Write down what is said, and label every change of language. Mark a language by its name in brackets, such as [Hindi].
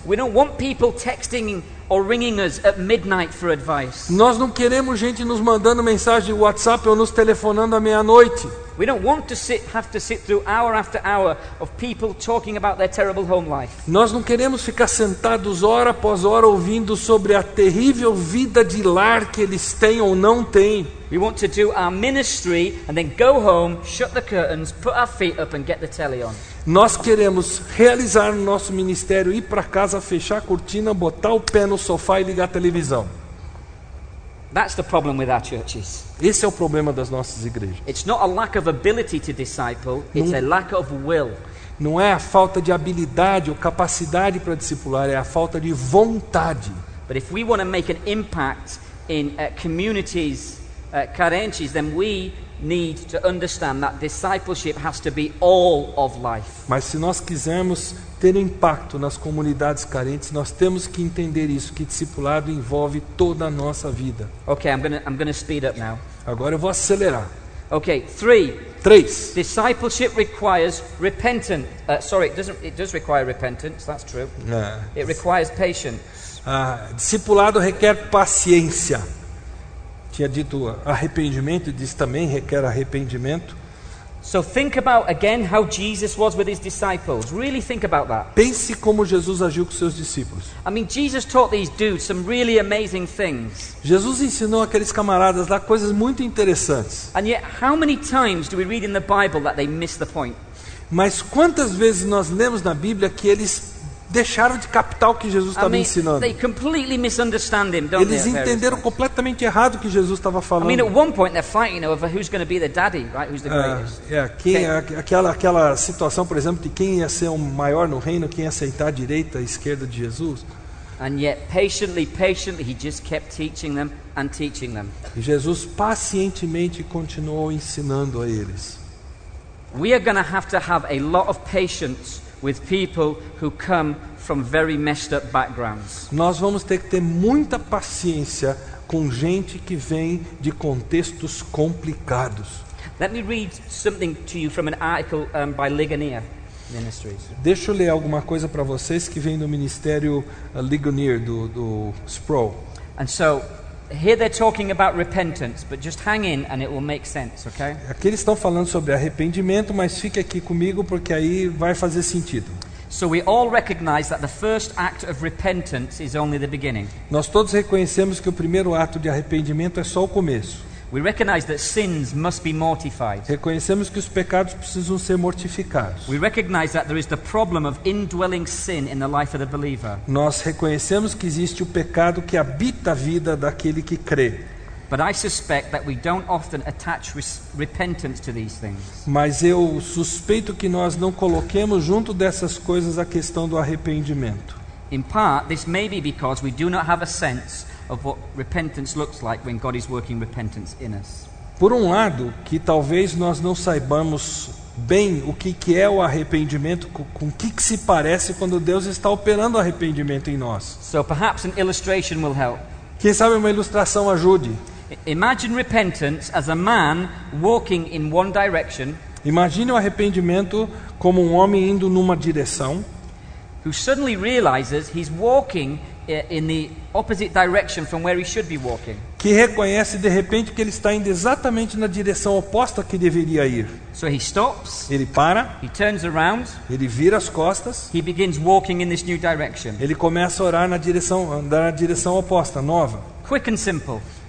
[English] We don't want people texting or ringing us at midnight for advice. [Portuguese] Nós não queremos gente nos mandando mensagem de WhatsApp ou nos telefonando à meia-noite. [English] We don't want to have to sit through hour after hour of people talking about their terrible home life. [Portuguese] Nós não queremos ficar sentados hora após hora ouvindo sobre a terrível vida de lar que eles têm ou não têm. [English] We want to do our ministry and then go home, shut the curtains, put our feet up and get the telly on. [Portuguese] Nós queremos realizar o nosso ministério, ir para casa, fechar a cortina, botar o pé no sofá e ligar a televisão. [English] That's the problem with our churches. [Portuguese] Esse é o problema das nossas igrejas. [English] It's not a lack of ability to disciple, it's a lack of will. [Portuguese] Não é a falta de habilidade ou capacidade para discipular, é a falta de vontade. [English] But if we want to make an impact in communities carentes, then we need to understand that discipleship has to be all of life. [Portuguese] Mas se nós quisermos ter um impacto nas comunidades carentes, nós temos que entender isso, que discipulado envolve toda a nossa vida. [English] Okay, I'm gonna speed up now. [Portuguese] Agora eu vou acelerar. [English] Okay, three. [Portuguese] Três. [English] Discipleship requires repentance. It does require repentance, that's true. It requires patience. [Portuguese] Discipulado requer paciência. Tinha dito arrependimento, diz também requer arrependimento. [English] So think about again how Jesus was with his disciples. Really think about that. [Portuguese] Pense como Jesus agiu com seus discípulos. [English] I mean, Jesus taught these dudes some really amazing things. [Portuguese] Jesus ensinou aqueles camaradas lá coisas muito interessantes. [English] And yet, how many times do we read in the Bible that they miss the point? [Portuguese] Mas quantas vezes nós lemos na Bíblia que eles deixaram de captar o que Jesus estava ensinando? [English] They completely misunderstand him, don't [Portuguese] eles [English] they, [Portuguese] entenderam Paris completamente errado o que Jesus estava falando. [English] I mean, at one point they're fighting over who's going to be the daddy, right? Who's the greatest? [Portuguese] Aquela situação, por exemplo, de quem ia ser o maior no reino, quem ia aceitar a direita e a esquerda de Jesus. [English] And yet, patiently, he just kept teaching them and teaching them. [Portuguese] E Jesus pacientemente continuou ensinando a eles. [English] We are going to have a lot of patience with people who come from very messed up backgrounds. [Portuguese] Nós vamos ter que ter muita paciência com gente que vem de contextos complicados. [English] Let me read something to you from an article by Ligonier Ministries. [Portuguese] Deixa eu ler alguma coisa para vocês que vem do ministério Ligonier do Sproul. [English] And so here they're talking about repentance, but just hang in and it will make sense, okay? [Portuguese] Aqui eles estão falando sobre arrependimento, mas fique aqui comigo porque aí vai fazer sentido. [English] So we all recognize that the first act of repentance is only the beginning. [Portuguese] Nós todos reconhecemos que o primeiro ato de arrependimento é só o começo. [English] We recognize that sins must be mortified. [Portuguese] Reconhecemos que os pecados precisam ser mortificados. [English] We recognize that there is the problem of indwelling sin in the life of the believer. [Portuguese] Nós reconhecemos que existe o pecado que habita a vida daquele que crê. [English] But I suspect that we don't often attach repentance to these things. [Portuguese] Mas eu suspeito que nós não coloquemos junto dessas coisas a questão do arrependimento. [English] In part, this may be because we do not have a sense of what repentance looks like when God is working repentance in us. [Portuguese] Por um lado, que talvez nós não saibamos bem o que é o arrependimento, com que se parece quando Deus está operando arrependimento em nós. [English] So perhaps an illustration will help. [Portuguese] Quem sabe uma ilustração ajude. [English] Imagine repentance as a man walking in one direction. [Portuguese] Imagine o arrependimento como um homem indo numa direção. [English] Who suddenly realizes he's walking in the opposite direction from where he should be walking. [Portuguese] Que reconhece de repente que ele está indo exatamente na direção oposta que deveria ir. [English] So he stops. [Portuguese] Ele para. [English] He turns around. [Portuguese] Ele vira as costas. [English] He begins walking in this new direction. [Portuguese] Ele começa a orar na direção, andar na direção oposta, nova. [English] Quick and simple.